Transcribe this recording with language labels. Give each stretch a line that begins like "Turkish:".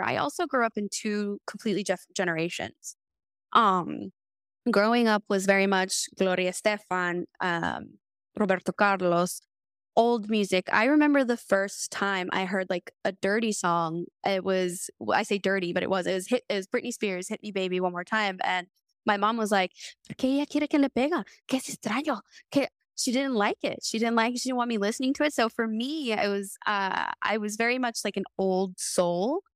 English: I also grew up in two completely generations. Growing up was very much Gloria Estefan, Roberto Carlos. Old music. I remember the first time I heard like a dirty song. It was Britney Spears, Hit Me Baby One More Time. And my mom was like,
Spanish: ¿Por qué ella quiere que le pega? ¿Qué es extraño?
English: She didn't like it. She didn't want me listening to it. So for me, it was, I was very much like an old soul.